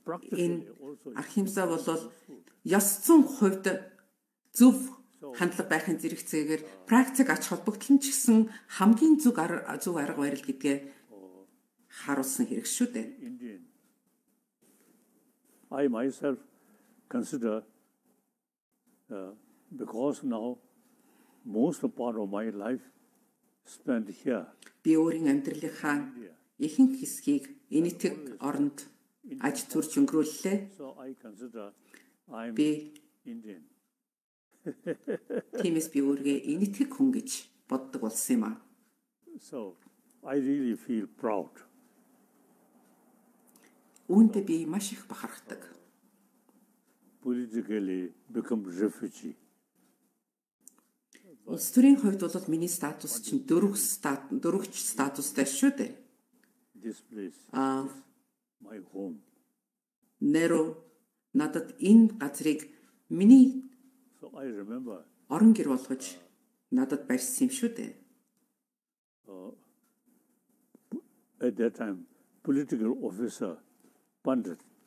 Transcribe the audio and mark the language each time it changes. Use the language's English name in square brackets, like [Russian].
[Mongolian] Энэ архимса бол ёс зүйн хувьд зөв хандлага байхын зэрэгцээгээр практик ач холбогдолч гэсэн хамгийн зөв арга барил гэдгээ харуулсан хэрэг шүү дээ. [English] I myself consider because now most of part of my life spent here. [Mongolian] Би өөрийн амьдралынхаа ихэнх хэсгийг Энэтхэг орнд аж төрж өнгөрүүллээ. [English] So I consider I'm Indian. [Mongolian] Тиймээс би өөрийгөө Энэтхэг хүн гэж боддог болсон юм аа. [English] So I really feel proud. [Mongolian] Үүнтэй би маш их бахархдаг. [English] Politically become refugee. [Mongolian] Улс төрийн хувьд бол миний статус чинь дөрөвч статустай шүү дээ. [English] This place. My home. [Mongolian] Неро надад энэ газрыг миний [English] So I remember. [Mongolian] Орон гэр болгож надад барьсан юм шүү дээ. [English] At that time political officer Pandit.